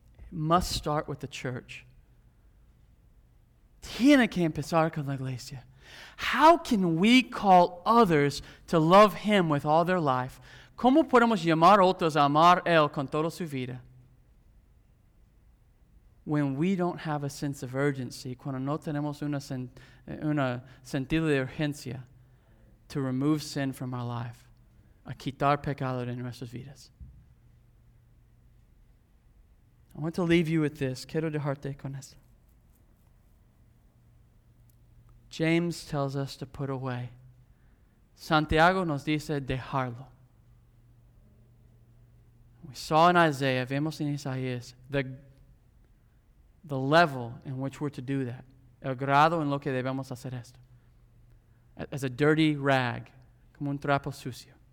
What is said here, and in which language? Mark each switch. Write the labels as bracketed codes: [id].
[en] Must start with the church. [es] Tiene que empezar con la iglesia. [en] How can we call others to love him with all their life? [es] ¿Cómo podemos llamar otros a amar él con toda su vida? [en] When we don't have a sense of urgency, [es] cuando no tenemos una sentido de urgencia [en] to remove sin from our life, [es] a quitar pecado de nuestras vidas. [en] I want to leave you with this. [es] Quiero dejarte con esto. [en] James tells us to put away [es] Santiago nos dice dejarlo. [en] We saw in Isaiah, [es] vemos en Isaías, [en] the level in which we're to do that. [es] El grado en lo que debemos hacer esto. [en] As a dirty rag, [es] como un trapo sucio.